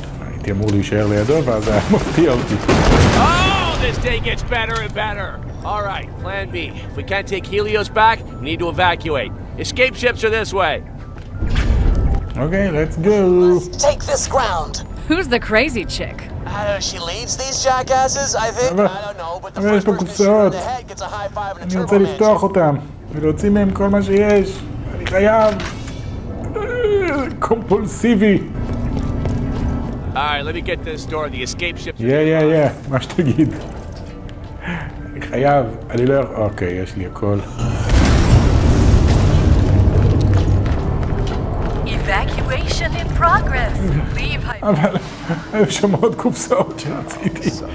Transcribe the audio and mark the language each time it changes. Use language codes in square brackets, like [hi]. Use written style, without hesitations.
[he] הייתי אמור להישאר לידו, ואז היה מפתיע אותי. [en] Oh, this day gets better and better. All right, plan B. If we can't take Helios back, we need to evacuate. Escape ships are this way. Okay, let's go. Let's take this ground. Who's the crazy chick? I don't know, she leads these jackasses, I think? I don't know, but the first person shoot in the head gets a high five and a turbo mansion. I want to open them, and let them get all that they have. I'm compulsive. Alright, let me get this door, the escape ship. Yeah, yeah, yeah, what you said. Okay, I have everything. Evacuation in progress. Leave high five. [he] היו שם עוד קופסאות שרציתי.